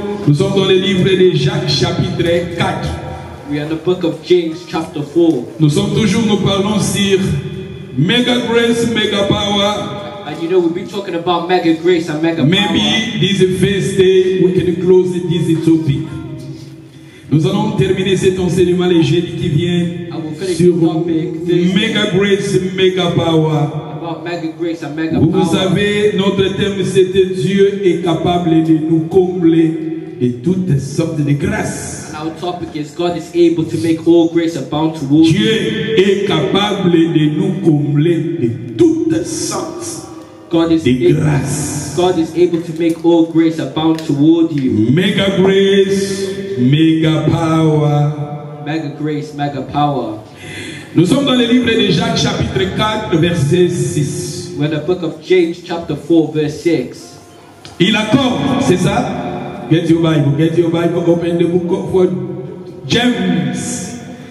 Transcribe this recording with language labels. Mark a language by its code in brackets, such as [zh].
[fr] Nous sommes dans le livre de Jacques chapitre 4. [en] We are in the book of James chapter 4. [fr] Nous sommes toujours nous parlons sur mega grace, mega power. [en] And you know we've been talking about mega grace and mega power. Maybe this first day we can close this topic. [fr] Nous allons terminer cet enseignement léger qui vient sur Mega Grace, Mega Power. Vous savez, notre thème c'était Dieu est capable de nous combler de toutes sortes de grâces. [en] Our topic is God is able to make all grace abound towards [fr] Dieu est capable de nous combler de toutes sortes. [en] God is able to make all grace abound toward you. Mega grace, mega power. Mega grace, mega power. [fr] Nous sommes dans le livre de Jacques chapitre 4 verset 6. [en] We're in the book of James chapter 4 verse 6. [fr] Il accorde, c'est ça? [en] Get your Bible, open the book of James.